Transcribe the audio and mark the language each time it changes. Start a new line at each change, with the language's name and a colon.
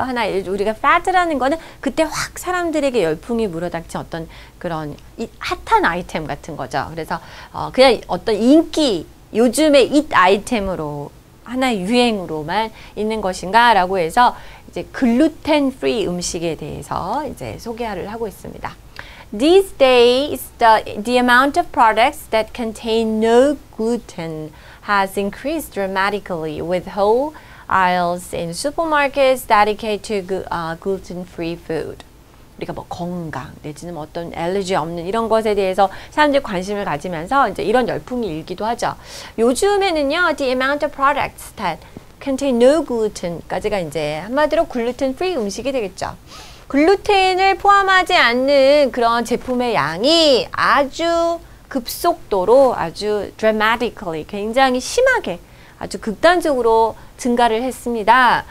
Korean: 하나, 우리가 fad라는 거는 그때 확 사람들에게 열풍이 물어닥친 어떤 그런 핫한 아이템 같은 거죠. 그래서 그냥 어떤 인기, 요즘의 잇 아이템으로 하나의 유행으로만 있는 것인가 라고 해서 이제 글루텐 프리 음식에 대해서 이제 소개를 하고 있습니다.
English: These days the amount of products that contain no gluten has increased dramatically with whole aisles in supermarkets dedicated to gluten free food.
Korean: 우리가 뭐 건강 내지는 뭐 어떤 알레르기 없는 이런 것에 대해서 사람들이 관심을 가지면서 이제 이런 열풍이 일기도 하죠. 요즘에는요,
English: the amount of products that contain no gluten
Korean: 까지가 이제 한마디로 글루텐 프리 음식이 되겠죠. 글루텐을 포함하지 않는 그런 제품의 양이 아주 급속도로 아주 dramatically 굉장히 심하게 아주 극단적으로 증가를 했습니다.